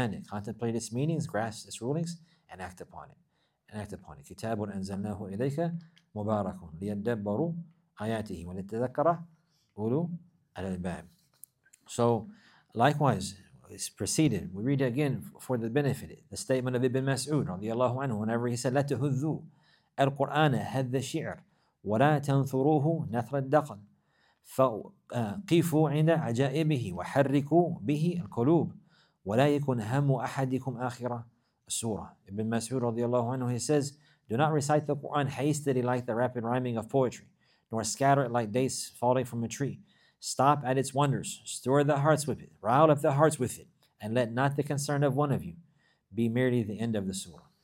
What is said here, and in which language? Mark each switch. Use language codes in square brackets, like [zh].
[en] Contemplate its meanings, grasp its rulings, and act upon it. [ar] كتاب أنزلناه إليك مبارك ليدبروا آياته ولتذكر أولو الألباب. [en] So likewise, it's preceded. We read again for the benefit. The statement of Ibn Mas'ud رضي الله عنه, whenever he said, [ar] لا تهذوا القرآن هذا الشعر ولا تنثروه نثر الدقن فقفوا عند عجائبه وحركوا به القلوب ولا يكون هم أحدكم آخرة Surah. [en] Ibn Mas'ud radiallahu anhu, he says, do not recite the Quran hastily like the rapid rhyming of poetry, nor scatter it like dates falling from a tree. Stop at its wonders, stir the hearts with it, rile up the hearts with it, and let not the concern of one of you be merely the end of the surah.